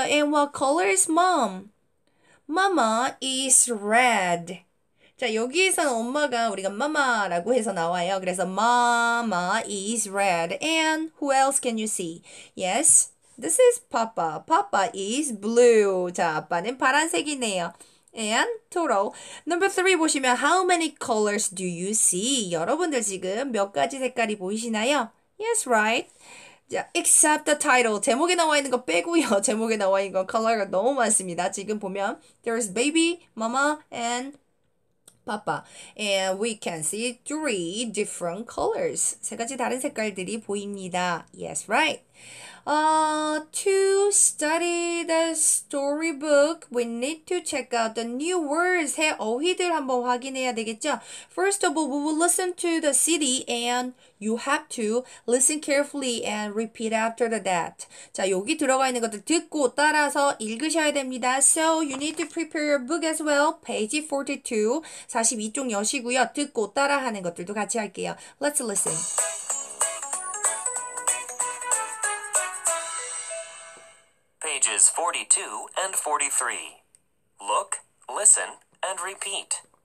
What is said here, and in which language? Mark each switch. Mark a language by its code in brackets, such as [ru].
[en] And what color is mom? Mama is red. [ko] 자, 여기에서는 엄마가 우리가 mama라고 해서 나와요. 그래서 [en] mama is red. And who else can you see? Yes, this is papa. Papa is blue. [ko] 자, 아빠는 파란색이네요. [en] And total. Number three [ko] 보시면, [en] how many colors do you see? [ko] 여러분들 지금 몇 가지 색깔이 보이시나요? [en] Yes, right. 자, except the title. [ko] 제목에 나와 있는 거 빼고요. 제목에 나와 있는 건 컬러가 너무 많습니다. 지금 보면, [en] there's baby, mama, and papa. And we can see three different colors. [ko] 세 가지 다른 색깔들이 보입니다. [en] Yes, right. To study the storybook, we need to check out the new words. [ko] 새 어휘들 한번 확인해야 되겠죠? [en] First of all, we will listen to the city and you have to listen carefully and repeat after that. [ko] 자, 여기 들어가 있는 것들 듣고 따라서 읽으셔야 됩니다. [en] So, you need to prepare your book as well. Page 42. [ko] 42쪽 여시고요. 듣고 따라하는 것들도 같이 할게요. [en] Let's listen. Pages 42 and 43. Look, listen, and repeat.